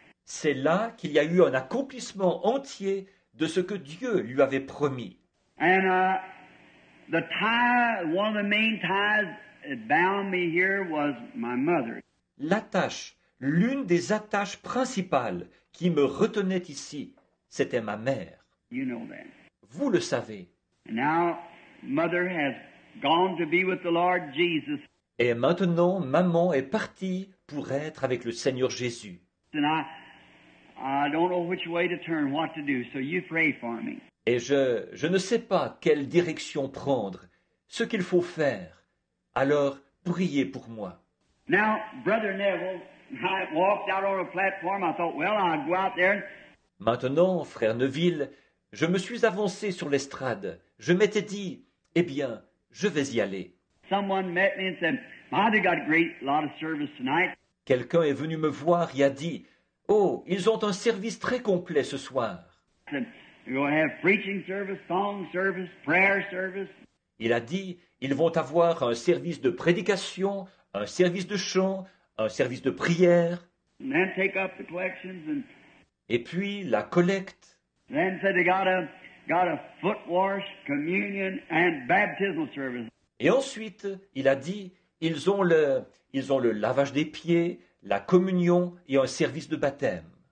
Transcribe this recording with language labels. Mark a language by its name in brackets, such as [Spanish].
[French] C'est là qu'il y a eu un accomplissement entier de ce que Dieu lui avait promis. [English] And the tie, one of the main ties that bound me here was my mother. [French] L'attache, l'une des attaches principales qui me retenait ici, c'était ma mère. [English] You know that. [French] Vous le savez. [English] Now, mother has gone to be with the Lord Jesus. [French] Et maintenant, maman est partie pour être avec le Seigneur Jésus. [English] And I don't know which way to turn, what to do, so you pray for me. [French] Et je ne sais pas quelle direction prendre, ce qu'il faut faire. Alors, priez pour moi. [English] Now, Brother Neville, I walked out on a platform, I thought, well, I'll go out there. [French] Maintenant, frère Neville, je me suis avancé sur l'estrade. Je m'étais dit, eh bien, je vais y aller. [English] Someone met me and said, Mother got a great lot of service tonight. [French] Quelqu'un est venu me voir et a dit, oh, ils ont un service très complet ce soir. [English] You will have preaching service, song service, prayer service. [French] Il a dit, ils vont avoir un service de prédication, un service de chant, un service de prière. [English] And then take up the collections and... [French] Et puis, la collecte. [English] Then said they got a foot wash, communion and baptismal service. [French] Et ensuite, il a dit, ils ont le lavage des pieds, la communion et un service de baptême.